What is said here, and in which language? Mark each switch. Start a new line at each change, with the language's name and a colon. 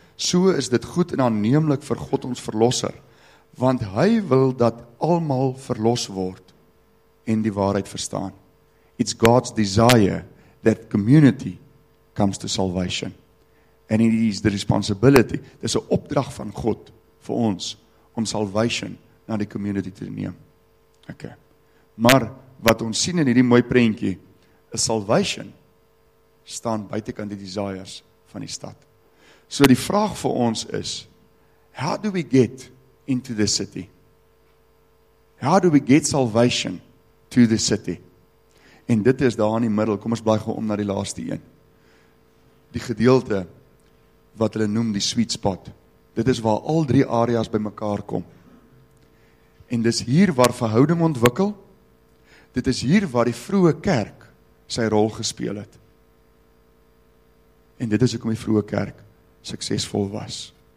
Afrikaans: So is dit goed en aanneemlik vir God ons verlosser, want hy wil dat almal verlos word en die waarheid verstaan.
English: It's God's desire that community comes to salvation. And it is the responsibility,
Afrikaans: dis 'n opdrag van God vir ons, om salvation na die community te neem. Okay. Maar wat ons sien in hierdie mooi prentjie, is salvation staan buitekant die desires van die stad. So die vraag vir ons is,
English: how do we get into the city? How do we get salvation to the city?
Afrikaans: En dit is daar in die middel, kom ons blaai gou om na die laaste een. Die gedeelte wat hulle noem die sweet spot. Dit is waar al drie areas by mekaar kom. En dis hier waar verhouding ontwikkel. Dit is hier waar die vroeë kerk sy rol gespeel het. En dit is hoekom die vroeë kerk suksesvol was.